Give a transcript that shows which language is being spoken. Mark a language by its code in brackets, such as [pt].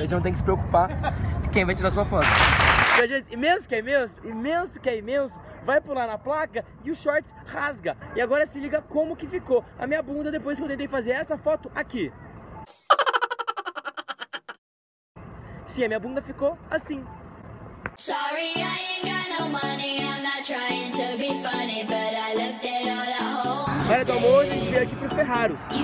[pt] Aí você não tem que se preocupar de quem vai tirar a sua foto. Então, gente, imenso que é imenso, imenso que é imenso, vai pular na placa e o shorts rasga. E agora se liga como que ficou a minha bunda depois que eu tentei fazer essa foto aqui. Sim, a minha bunda ficou assim. [en] Sorry, I ain't got no money. I'm not trying to be funny, but I left it all at home. [pt] Olha, tomou, a gente veio aqui pro Ferraros.